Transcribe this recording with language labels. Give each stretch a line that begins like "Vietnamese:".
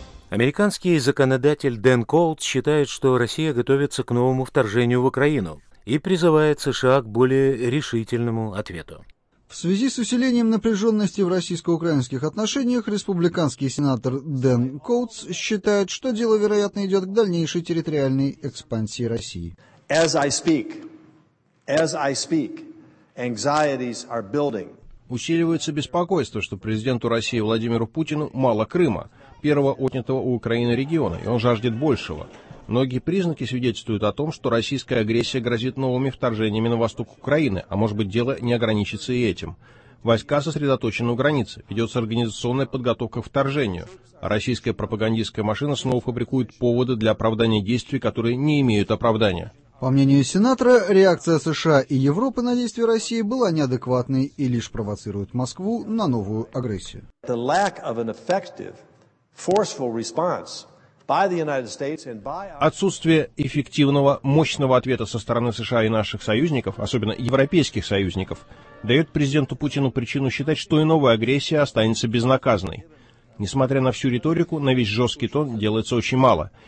Russian: Американский законодатель Дэн Коутс считает, что Россия готовится к новому вторжению в Украину и призывает США к более решительному ответу. В связи с усилением напряженности в российско-украинских отношениях, республиканский сенатор Дэн Коутс считает, что дело, вероятно, идет к дальнейшей территориальной экспансии России.
English: As I speak, anxieties are building.
Russian: Усиливается беспокойство, что президенту России Владимиру Путину мало Крыма, первого отнятого у Украины региона, и он жаждет большего. Многие признаки свидетельствуют о том, что российская агрессия грозит новыми вторжениями на восток Украины, а может быть, дело не ограничится и этим. Войска сосредоточены у границы, ведется организационная подготовка к вторжению. Российская пропагандистская машина снова фабрикует поводы для оправдания действий, которые не имеют оправдания. По мнению сенатора, реакция США и Европы на действия России была неадекватной и лишь провоцирует Москву на новую агрессию.
English: The lack of an effective, forceful response.
Russian: Отсутствие эффективного, мощного ответа со стороны США и наших союзников, особенно европейских союзников, дает президенту Путину причину считать, что и новая агрессия останется безнаказанной. Несмотря на всю риторику, на весь жесткий тон делается очень мало.